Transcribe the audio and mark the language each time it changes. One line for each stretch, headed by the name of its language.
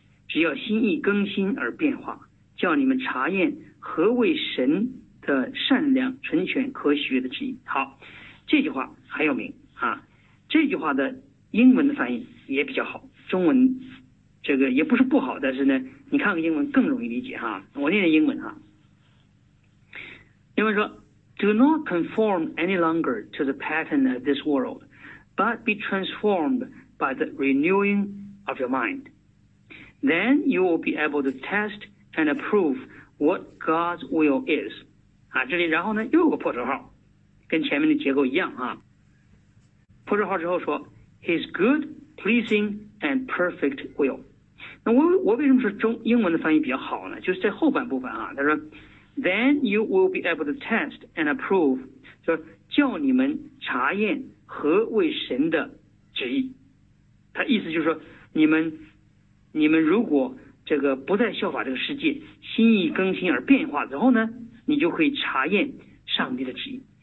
Chinese: 只要心意更新而变化，叫你们查验何为神的善良、纯全、可喜悦的旨意。好，这句话很有名啊。这句话的英文的翻译也比较好，中文这个也不是不好，但是呢，你看看英文更容易理解哈。我念念英文哈。英文说
English: ：“Do not conform any longer to the pattern of this world, but be transformed by the renewing of your mind. Then you will be able to test and approve what God's will is.”
Chinese: 啊，这里然后呢又有个破折号，跟前面的结构一样啊。破折号之后说
English: ：“His good, pleasing, and perfect will.”
Chinese: 那我为什么说中英文的翻译比较好呢？就是在后半部分啊，他说。
English: Then you will be able to test and approve.
Chinese: 就叫你们查验何为神的旨意。他意思就是说，你们如果这个不再效法这个世界，心意更新而变化之后呢，你就可以查验上帝的旨意。